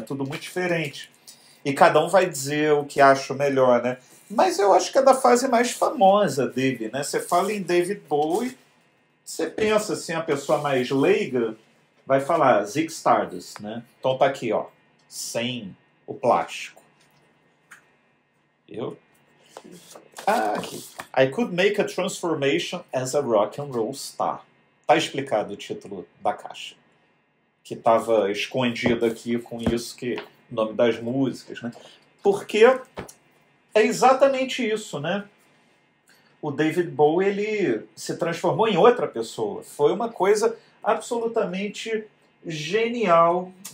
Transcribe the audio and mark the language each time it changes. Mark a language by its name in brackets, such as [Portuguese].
[Portuguese] Tudo muito diferente. E cada um vai dizer o que acha melhor, né? Mas eu acho que é da fase mais famosa dele, né? Você fala em David Bowie, você pensa, assim, a pessoa mais leiga vai falar Ziggy Stardust, né? Então tá aqui, ó, sem o plástico. Eu... [English] Ah, I could make a transformation as a rock and roll star. [Portuguese] Tá explicado o título da caixa. Que tava escondido aqui com isso, que nome das músicas, né? Porque é exatamente isso, né? O David Bowie, ele se transformou em outra pessoa. Foi uma coisa absolutamente genial.